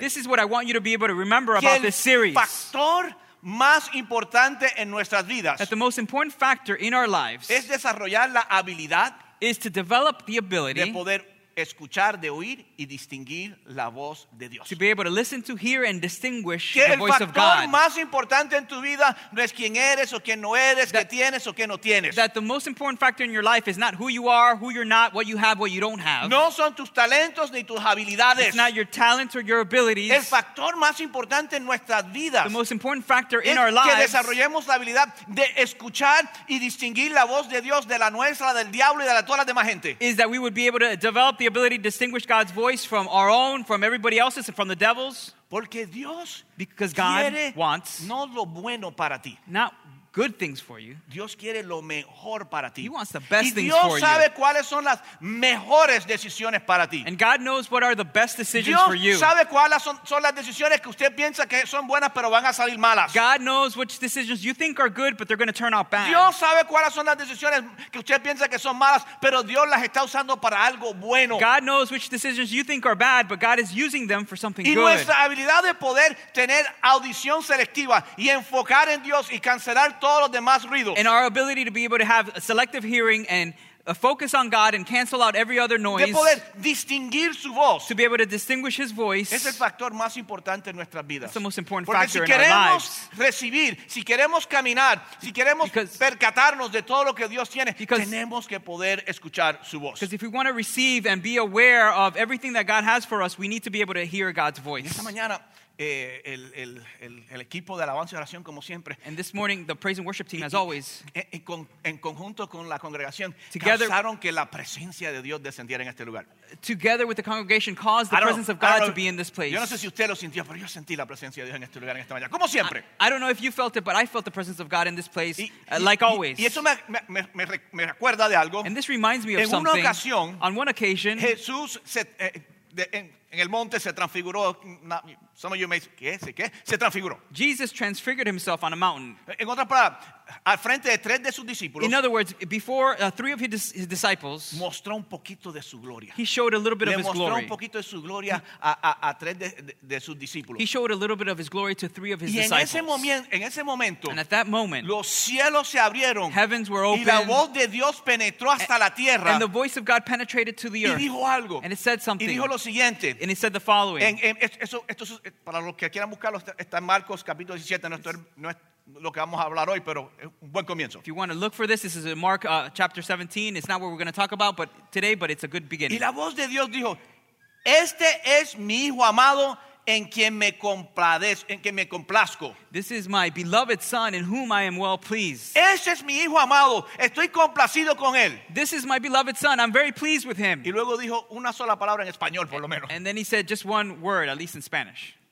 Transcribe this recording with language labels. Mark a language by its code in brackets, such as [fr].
[en] This is what I want you to be able to remember about this series. [es] El factor más importante en nuestras vidas. [en] That the most important factor in our lives [es] es desarrollar la habilidad [en] is to develop the ability [es] de poder escuchar, de oír y distinguir la voz de Dios. [en] To be able to listen to, hear and distinguish the voice of God. [es] Que el factor más importante en tu vida no es quién eres o quién no eres, qué tienes o qué no tienes. [en] That the most important factor in your life is not who you are, who you're not, what you have, what you don't have. [es] No son tus talentos ni tus habilidades. [en] It's not your talents or your abilities. [es] El factor más importante en nuestras vidas. [en] The most important factor in our lives [es] es que desarrollemos la habilidad de escuchar y distinguir la voz de Dios de la nuestra, del diablo y de la toda la demás gente. [en] Is that we would be able to develop the ability to distinguish God's voice from our own, from everybody else's, and from the devil's. [es] Porque Dios, [en] because God wants [es] no lo bueno para ti. [en] Not good things for you. [es] Dios quiere lo mejor para ti. [en] He wants the best [es] y [en] things [es] Dios [en] for [es] sabe [en] you. [es] Cuáles son las mejores decisiones para ti. [en] And God knows what are the best decisions [es] Dios [en] for you. [es] Sabe cuáles son las decisiones que usted piensa que son buenas pero van a salir malas. [en] God knows which decisions you think are good but they're going to turn out bad. [es] Dios sabe cuáles son las decisiones que usted piensa que son malas pero Dios las está usando para algo bueno. [en] God knows which decisions you think are bad but God is using them for something [es] y [en] good. [es] Y nuestra habilidad de poder tener audición selectiva y enfocar en Dios y cancelar [en] and our ability to be able to have a selective hearing and a focus on God and cancel out every other noise. [es] De poder distinguir su voz. [en] To be able to distinguish his voice. [es] Es el factor más importante en nuestras vidas. [en] It's the most important [es] Porque [en] factor [es] si [en] in our lives. [es] Porque si queremos recibir, si queremos caminar, si queremos [en] because, [es] percatarnos de todo lo que Dios tiene, [en] because, [es] tenemos que poder escuchar su voz. [en] Because if we want to receive and be aware of everything that God has for us, we need to be able to hear God's voice. [es] Esta mañana, el equipo de alabanza y oración como siempre. [en] And this morning the praise and worship team, as always, [es] en conjunto con la congregación, causaron que la presencia de Dios descendiera en este lugar. [en] Together with the congregation caused the presence of God to be in this place. [es] Yo no sé si usted lo sintió, pero yo sentí la presencia de Dios en este lugar en esta mañana, como siempre. [en] I don't know if you felt it, but I felt the presence of God in this place, like always. [es] Y eso me recuerda de algo. [en] And this reminds me of something. [es] En una ocasión, [en] on one occasion, [es] Jesús en el monte se transfiguró. [en] Some of you may say, [es] ¿qué? ¿Qué? Se transfiguró. [en] Jesus transfigured himself on a mountain. [es] En otras palabras, al frente de tres de sus discípulos. [en] In other words, before three of his disciples. [es] Mostró un poquito de su gloria. [en] He showed a little bit [es] le [en] of his glory. [es] Le mostró un poquito de su gloria a tres de sus discípulos. [en] He showed a little bit of his glory to three of his [es] y [en] disciples. [es] Y en ese momento. [en] And at that moment. [es] Los cielos se abrieron. [en] Heavens were opened. [es] Y la voz de Dios penetró hasta la tierra. [en] And the voice of God penetrated to the earth. [es] Y dijo algo. [en] And it said something. [es] Y dijo lo siguiente. [en] And he said the following. [es] Para los que quieran buscarlo, está en Marcos capítulo 17, lo que vamos a hablar hoy, pero es un buen comienzo. [en] If you want to look for this, this is in Mark chapter 17. It's not what we're going to talk about today, but it's a good beginning. [es] Y la voz de Dios dijo, este es mi hijo amado en quien me complazco. [en] This is my beloved son in whom I am well pleased. [es] Ese es mi hijo amado. Estoy complacido con él. [en] This is my beloved son. I'm very pleased with him. [es] Y luego dijo una sola palabra en español, por lo menos. [en] And then he said just one word, at least in Spanish.